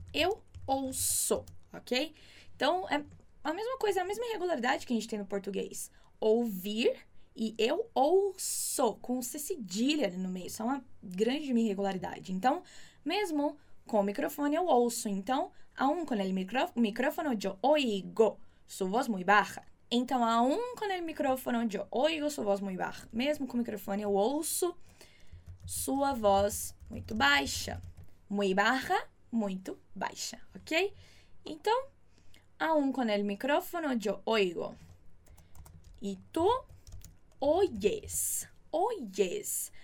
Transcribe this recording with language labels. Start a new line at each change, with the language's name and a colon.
Portuguese: Eu ouço, ok? Então, é a mesma coisa, é a mesma irregularidade que a gente tem no português. Ouvir e eu ouço, com C cedilha ali no meio. Isso é uma grande irregularidade. Então, mesmo com o microfone, eu ouço.
Spanish: Então, aún con el micrófono, yo oigo su voz muy baja. Então, aún con el micrófono, yo oigo su voz muy baja.
Portuguese: Mesmo com o microfone, eu ouço sua voz muito baixa.
Spanish: Muy baja.
Portuguese: Muito baixa, ok? Então,
Spanish: aún con el micrófono yo oigo. E tu oyes. oyes.